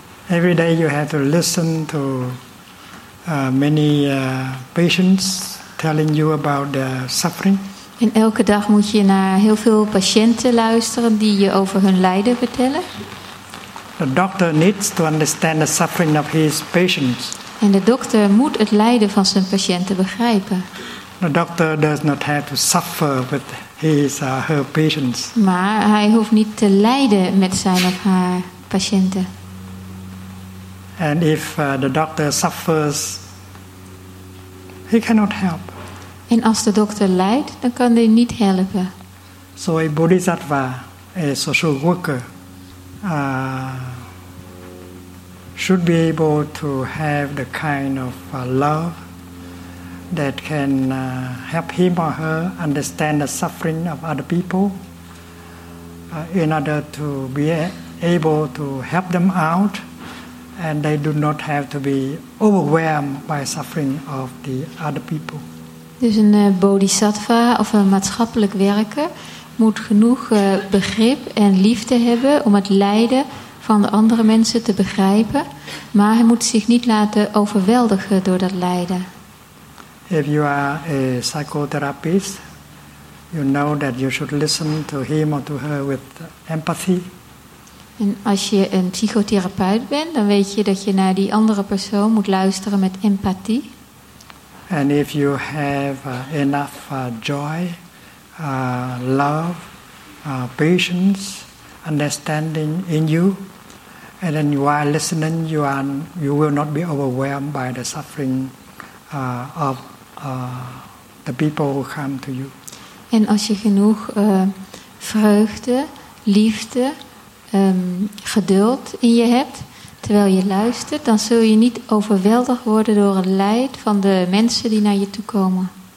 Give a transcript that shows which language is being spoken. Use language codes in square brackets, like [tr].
[en] Every day you have to listen to many patients telling you about their suffering. [nl] En elke dag moet je naar heel veel patiënten luisteren die je over hun lijden vertellen. [en] The doctor needs to understand the suffering of his patients. [nl] En de dokter moet het lijden van zijn patiënten begrijpen. [en] The doctor does not have to suffer with his or her patients. [nl] Maar hij hoeft niet te lijden met zijn of haar patiënten. [en] And if the doctor suffers, he cannot help. [nl] En als de dokter lijdt, dan kan hij niet helpen. [en] So a bodhisattva, a social worker, should be able to have the kind of love that can help him or her understand the suffering of other people in order to be able to help them out, and they do not have to be overwhelmed by suffering of the other people. [nl] Dus een bodhisattva of een maatschappelijk werker moet genoeg begrip en liefde hebben om het lijden van de andere mensen te begrijpen, maar hij moet zich niet laten overweldigen door dat lijden. [en] If you are a psychotherapist, you know that you should listen to him or to her with empathy. [nl] En als je een psychotherapeut bent, dan weet je dat je naar die andere persoon moet luisteren met empathie. [en] And if you have enough joy, love, patience, understanding in you, and then while listening, you will not be overwhelmed by the suffering of the people who come to you. [nl] En als je genoeg vreugde, liefde, geduld in je hebt, terwijl je luistert, dan zul je niet overweldigd worden door het lijd van de mensen die naar je toe komen.